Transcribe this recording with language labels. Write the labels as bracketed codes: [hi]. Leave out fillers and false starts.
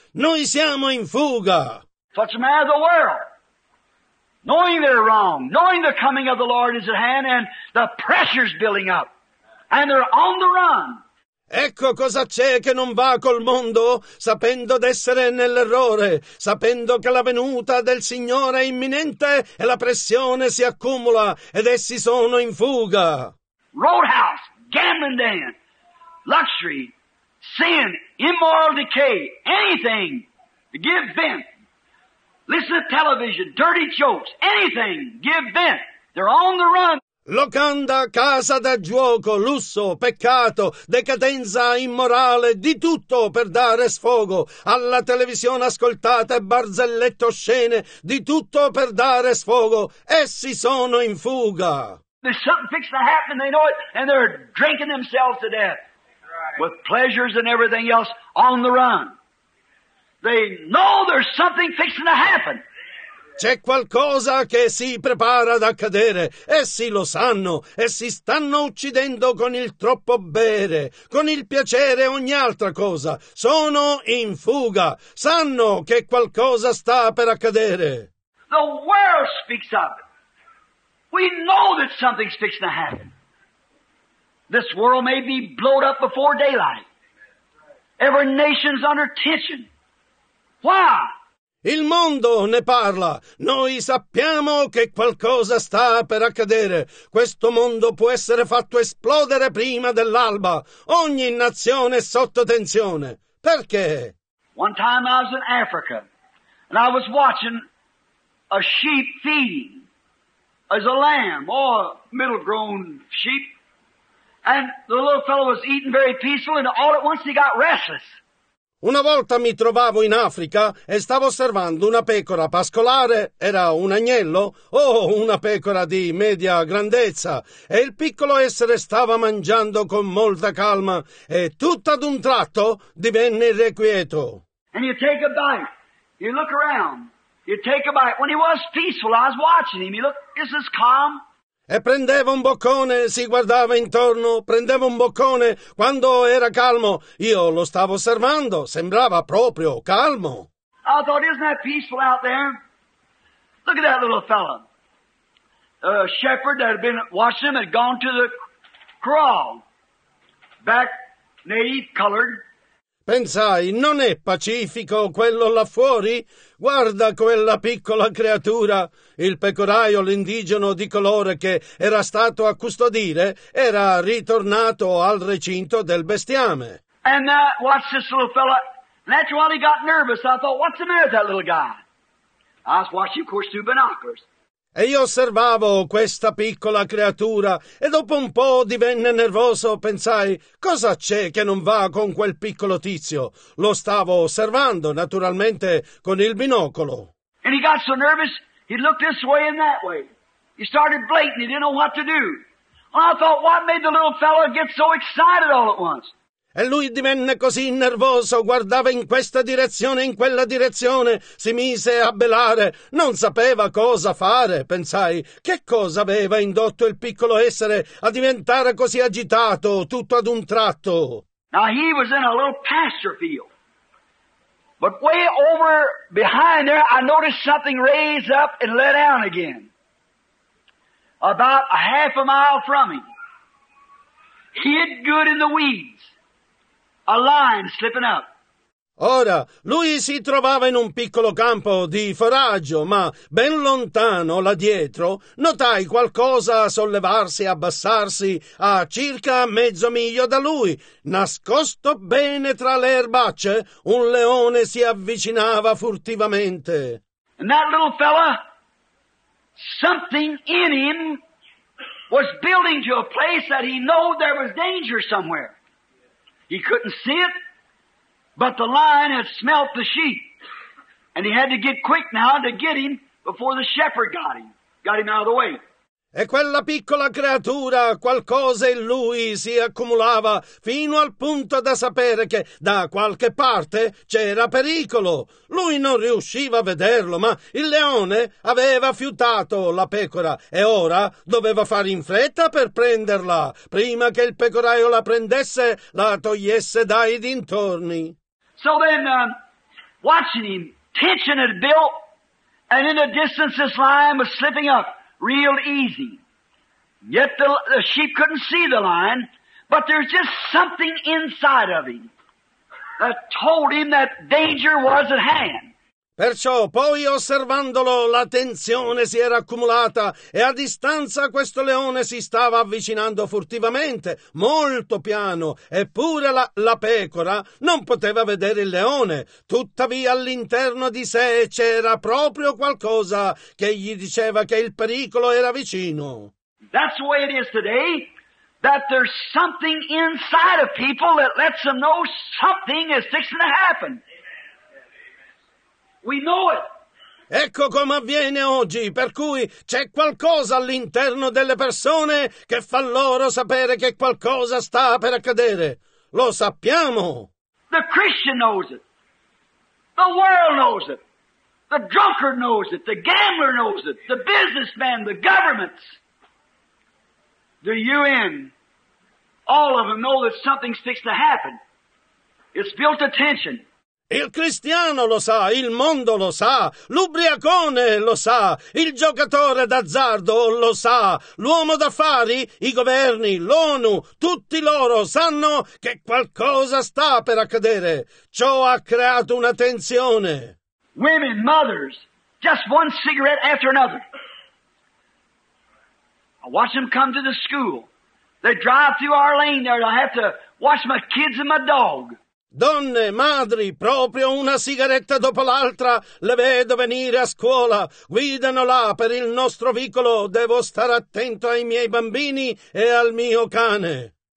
[it] Noi siamo in fuga. [en] Such a man of the world, knowing they're wrong, knowing the coming of the Lord is at hand, and the pressure's building up, and they're on the run. [it] Ecco cosa c'è che non va col mondo, sapendo d'essere nell'errore, sapendo che la venuta del Signore è imminente e la pressione si accumula ed essi sono in fuga. [en] Roadhouse, gambling den, luxury, sin, immoral decay, anything to give vent. Listen to television, dirty jokes, anything, give vent. They're on the run. [it] Locanda, casa da gioco, lusso, peccato, decadenza immorale, di tutto per dare sfogo. Alla televisione ascoltate barzellette oscene, di tutto per dare sfogo. Essi sono in fuga. [en] There's something fixed to happen, they know it, and they're drinking themselves to death. Right. With pleasures and everything else, on the run. They know there's something fixing to happen. [it] C'è qualcosa che si prepara ad accadere. Essi lo sanno e si stanno uccidendo con il troppo bere, con il piacere e ogni altra cosa. Sono in fuga. Sanno che qualcosa sta per accadere. [en] The world speaks of it. We know that something's fixing to happen. This world may be blown up before daylight. Every nation's under tension. Why? [it] Il mondo ne parla. Noi sappiamo che qualcosa sta per accadere. Questo mondo può essere fatto esplodere prima dell'alba. Ogni nazione è sotto tensione. Perché? [en] One time I was in Africa and I was watching a sheep feeding as a lamb or middle grown sheep. And the little fellow was eating very peaceful and all at once he got restless. [it] Una volta mi trovavo in Africa e stavo osservando una pecora pascolare, era un agnello, una pecora di media grandezza, e il piccolo essere stava mangiando con molta calma e tutto ad un tratto divenne irrequieto. [en] And you take a bite, you look around, you take a bite. When he was peaceful, I was watching him, he looked, is this calm? [it] E prendeva un boccone, si guardava intorno, prendeva un boccone, quando era calmo, io lo stavo osservando, sembrava proprio calmo. [en] I thought, isn't that peaceful out there? Look at that little fella. A shepherd that had been watching him had gone to the kraal, back native colored. [it] Pensai, non è pacifico quello là fuori? Guarda quella piccola creatura. Il pecoraio, l'indigeno di colore che era stato a custodire, era ritornato al recinto del bestiame. [en] And watch this little fella. Naturally he got nervous. I thought, what's the matter with that little guy? I was watching, of course, through binoculars. [it] E io osservavo questa piccola creatura e dopo un po' divenne nervoso. Pensai, cosa c'è che non va con quel piccolo tizio? Lo stavo osservando, naturalmente, con il binocolo. [en] And he got so nervous, he looked this way and that way. He started blatant, he didn't know what to do. Well, I thought, what made the little fella get so excited all at once? [it] E lui divenne così nervoso, guardava in questa direzione, in quella direzione, si mise a belare, non sapeva cosa fare, pensai, che cosa aveva indotto il piccolo essere a diventare così agitato, tutto ad un tratto. [en] Now he was in a little pasture field, but way over behind there I noticed something raise up and let down again, about a half a mile from him, hid good in the weeds. A line slipping up. [it] Ora, lui si trovava in un piccolo campo di foraggio, ma ben lontano là dietro, notai qualcosa sollevarsi e abbassarsi a circa mezzo miglio da lui. Nascosto bene tra le erbacce, un leone si avvicinava furtivamente. [en] And that little fella, something in him was building to a place that he knew there was danger somewhere. He couldn't see it, but the lion had smelt the sheep, and he had to get quick now to get him before the shepherd got him out of the way. [it] E quella piccola creatura, qualcosa in lui si accumulava fino al punto da sapere che da qualche parte c'era pericolo. Lui non riusciva a vederlo, ma il leone aveva fiutato la pecora e ora doveva fare in fretta per prenderla, prima che il pecoraio la prendesse, la togliesse dai dintorni. [en] So then, watching him, tension had built, and in the distance this lion was slipping up. Real easy. Yet the sheep couldn't see the lion, but there's just something inside of him that told him that danger was at hand. [it] Perciò, poi osservandolo, la tensione si era accumulata e a distanza questo leone si stava avvicinando furtivamente, molto piano, eppure la pecora non poteva vedere il leone. Tuttavia all'interno di sé c'era proprio qualcosa che gli diceva che il pericolo era vicino. [en] That's the way it is today, that there's something inside of people that lets them know something is fixing to happen. We know it. [it] Ecco come avviene oggi, per cui c'è qualcosa all'interno delle persone che fa loro sapere che qualcosa sta per accadere. Lo sappiamo. [en] The Christian knows it. The world knows it. The drunkard knows it. The gambler knows it. The businessman, the governments, the UN, all of them know that something's fixed to happen. It's built attention. [it] Il cristiano lo sa, il mondo lo sa, l'ubriacone lo sa, il giocatore d'azzardo lo sa, l'uomo d'affari, i governi, l'ONU, tutti loro sanno che qualcosa sta per accadere. Ciò ha creato una tensione. [en] women, mothers, just one cigarette after another. I watch them come to the school. They drive through our lane there. I have to watch my kids and my dog. [it] Donne, madri, proprio una sigaretta dopo l'altra, le vedo venire a scuola, guidano là per il nostro vicolo, devo stare attento ai miei bambini e al mio cane.